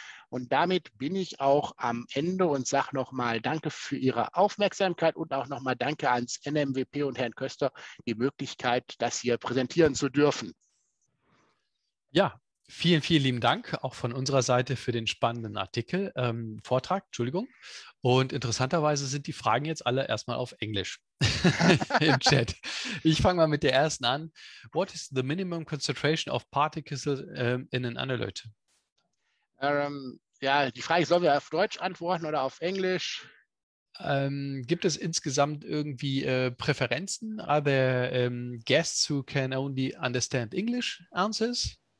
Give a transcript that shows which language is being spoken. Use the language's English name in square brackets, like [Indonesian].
[German] Und damit bin ich auch am Ende und sage nochmal danke für Ihre Aufmerksamkeit und auch nochmal danke ans NMWP und Herrn Köster, die Möglichkeit, das hier präsentieren zu dürfen. Ja, vielen, vielen lieben Dank auch von unserer Seite für den spannenden Vortrag. Und interessanterweise sind die Fragen jetzt alle erstmal auf Englisch im Chat. Ich fange mal mit der ersten an. [English] What is the minimum concentration of particles in an analyte? [German] Ja, die Frage ist, sollen wir auf Deutsch antworten oder auf Englisch? Gibt es insgesamt irgendwie Präferenzen? [English] Are there guests who can only understand English answers?